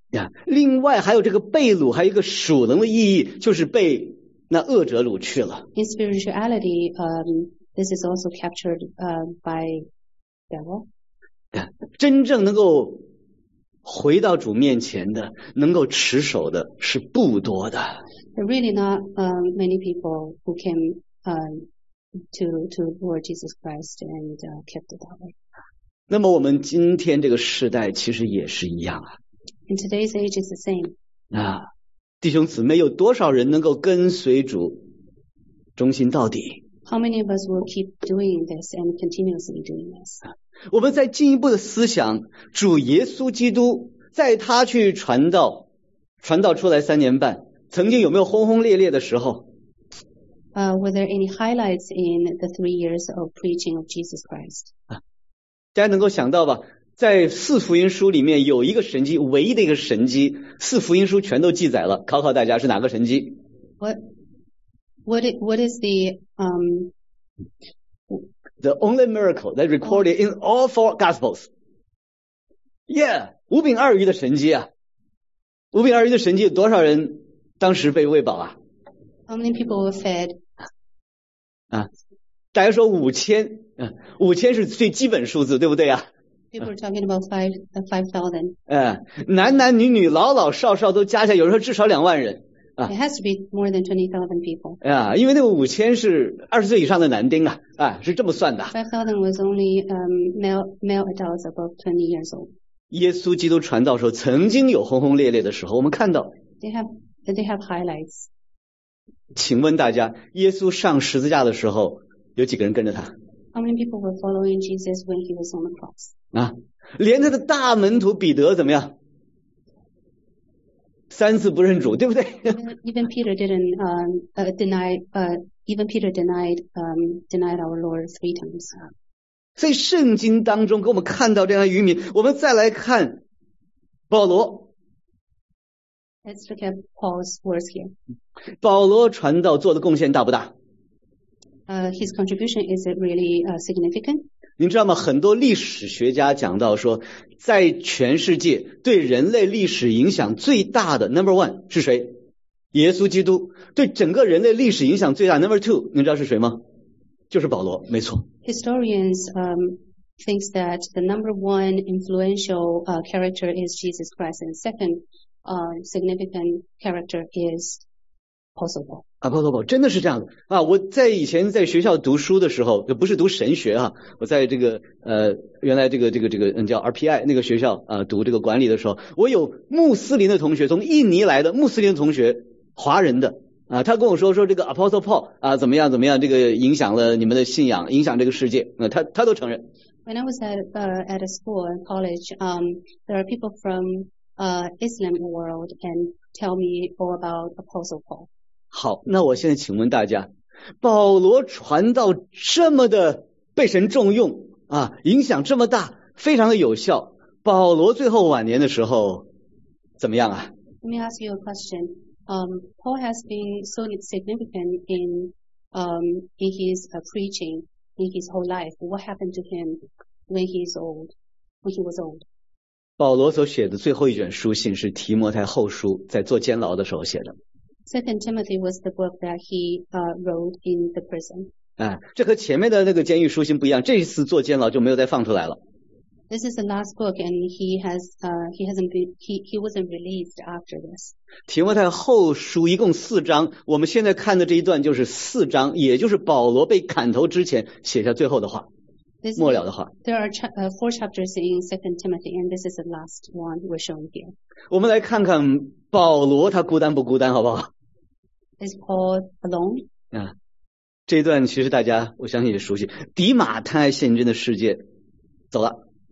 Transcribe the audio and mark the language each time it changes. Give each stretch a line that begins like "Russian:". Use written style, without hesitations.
Chinese: Yeah, 另外还有这个被掳，还有一个属灵的意义，就是被那恶者掳去了。
English: In spirituality, this is also captured by devil.
Chinese: Yeah, 真正能够回到主面前的，能够持守的是不多的。
English: There are really not many people who came to Lord Jesus Christ and kept it that way.
Chinese: 那么我们今天这个时代其实也是一样啊。
English: In today's age is the same.
Chinese: 弟兄姊妹，有多少人能够跟随主忠心到底？
English: How many of us will keep doing this and continuously doing this?
Chinese: 我们再进一步的思想，主耶稣基督在他去传道出来三年半，曾经有没有轰轰烈烈的时候？
English: Were there any highlights in the 3 years of preaching of Jesus Christ?
Chinese: 大家能够想到吧，在四福音书里面有一个神迹，唯一的一个神迹，四福音书全都记载了。考考大家是哪个神迹？
English: What is the only miracle that recorded in all four Gospels?
Chinese: Yeah, 五饼二鱼的神迹啊！五饼二鱼的神迹，多少人当时被喂饱啊？
English: How many people were fed?
Chinese: 大家说五千，五千是最基本数字，对不对啊？
English: People are talking about five thousand.
Chinese: 男男女女、老老少少都加起来，有时候至少两万人。
English: It has to be more than 20,000 people.
Chinese: 因为那个五千是20岁以上的男丁啊，是这么算的。
English: 5,000 was only male adults above 20 years old.
Chinese: 耶稣基督传道的时候，曾经有轰轰烈烈的时候，我们看到。
English: They have highlights.
Chinese: 请问大家，耶稣上十字架的时候，有几个人跟着他
English: ？How many people were following Jesus when he was on the cross？
Chinese: 连他的大门徒彼得怎么样？三次不认主，对不对
English: ？Even Peter denied our Lord three times.
Chinese: 所以圣经当中给我们看到这样的渔民，我们再来看保罗。
English: Let's look at Paul's words here.
Chinese: 保罗传道做的贡献大不大？
English: his contribution is really significant.
Chinese: 您知道吗？很多历史学家讲到说，在全世界对人类历史影响最大的
English: number one
Chinese: 是谁？耶稣基督。对整个人类历史影响最大
English: number two，
Chinese: 您知道是谁吗？就是保罗，没错。
English: Historians thinks that the number one influential character is Jesus Christ, and second significant character is Apostle Paul.
Chinese: Apostle Paul 真的是这样的啊！我在以前在学校读书的时候，不是读神学啊，我在这个原来这个叫 RPI 那个学校啊，读这个管理的时候，我有穆斯林的同学，从印尼来的穆斯林的同学，华人的。啊，他跟我说这个 Apostle Paul 啊，怎么样，这个影响了你们的信仰，影响这个世界。那、他都承认。
English: When I was at a school and college, there are people from Islam world and tell me all about Apostle Paul.
Chinese: 好，那我现在请问大家，保罗传道这么的被神重用啊，影响这么大，非常的有效。保罗最后晚年的时候怎么样啊
English: ？Let me ask you a question. Paul has been so significant in his preaching in his whole life. What happened to him when he's old? When he was old?
Chinese: 保罗所写的最后一卷书信是提摩太后书，在坐监牢的时候写的。
English: Second Timothy was the book that he wrote in the prison.
Chinese: 啊，这和前面的那个监狱书信不一样，这一次坐监牢就没有再放出来了。
English: This is the last book, and he wasn't released after this.
Chinese: 提摩太后书一共四章，我们现在看的这一段就是四章，也就是保罗被砍头之前写下最后的话，
English: this,
Chinese: 末了的话。
English: There are four chapters in Second Timothy, and this is the last one we're showing here.
Chinese: 我们来看看保罗他孤单不孤单，好不好
English: ？Is Paul alone?
Chinese: 啊，这一段其实大家我相信也熟悉，迪马太现今的世界走了。